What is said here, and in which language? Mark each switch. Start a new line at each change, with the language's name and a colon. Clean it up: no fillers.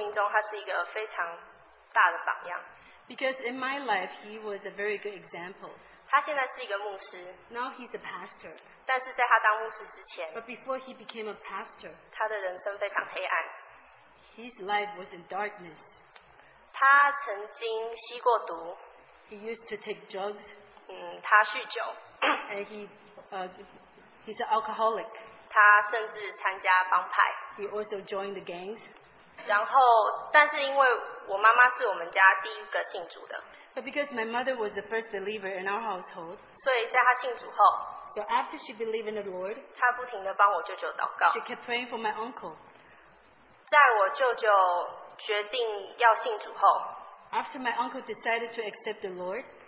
Chinese: 因为他在我生命中他是一个非常大的榜样。
English: Because in my life, he was a very good example.
Chinese: 他现在是一个牧师,
English: now he's a pastor.
Chinese: 但是在他当牧师之前,
English: but before he became a pastor,
Chinese: 他的人生非常黑暗,
English: his life was in darkness.
Chinese: 他曾经吸过毒,
English: he used to take drugs.
Chinese: 他酗酒,
English: and he's an alcoholic.
Chinese: 他甚至参加帮派,
English: he also joined the gangs.
Chinese: 然后, 但是因为我妈妈是我们家第一个信主的,
English: but because my mother was the first believer in our household,
Chinese: 所以在她信主后,
English: so after she believed in the Lord,
Chinese: 她不停地帮我舅舅祷告,
English: she kept praying for my uncle.
Chinese: 在我舅舅决定要信主后,
English: after my uncle decided to accept the Lord,